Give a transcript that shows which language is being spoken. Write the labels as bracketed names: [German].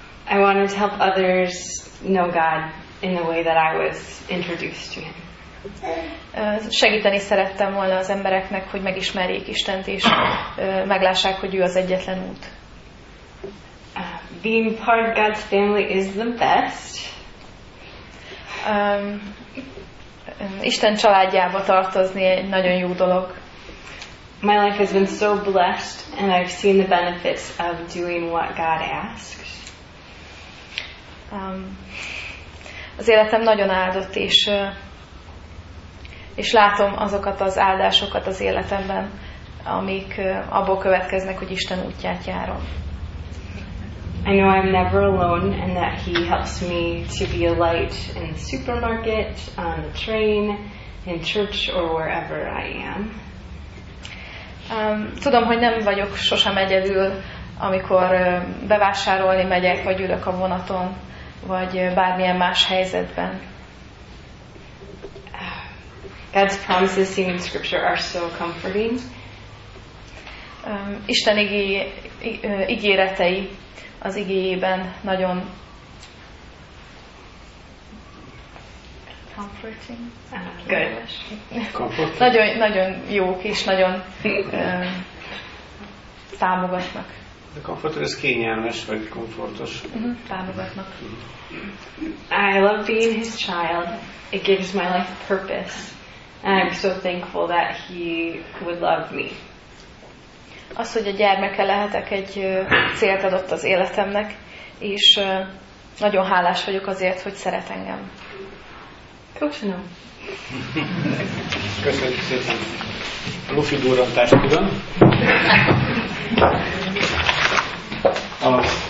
[English] I wanted to help others know God in the way that I was introduced to Him. [Hungarian] Segíteni szerettem volna az embereknek, hogy megismerjék Istent, és meglássák, hogy ő az egyetlen út. [English] Being part of God's family is the best. [Hungarian] Isten családjába tartozni egy nagyon jó dolog. [English] My life has been so blessed, and I've seen the benefits of doing what God asks. [Hungarian] Az életem nagyon áldott, és látom azokat az áldásokat az életemben, amik abból következnek, hogy Isten útját járom. [English] I know I'm never alone, and that He helps me to be a light in the supermarket, on the train, in church, or wherever I am. [Hungarian] Tudom, hogy nem vagyok sosem egyedül, amikor bevásárolni megyek, vagy ülök a vonaton, vagy bármilyen más helyzetben. [English] God's promises seen in Scripture are so comforting. [Hungarian] Isten ígéretei az igéjében nagyon comforting. [English] Good. [Hungarian] Nagyon, nagyon jók és nagyon támogatnak. A comforting is kényelmes vagy komfortos. Támogatnak. [English] I love being His child. It gives my life purpose. And I'm so thankful that He would love me. [Hungarian] Az, hogy a gyermeke lehetek, egy célt adott az életemnek, és nagyon hálás vagyok azért, hogy szeret engem. Köszönöm. Köszönjük szépen a lufi durrantást külön. A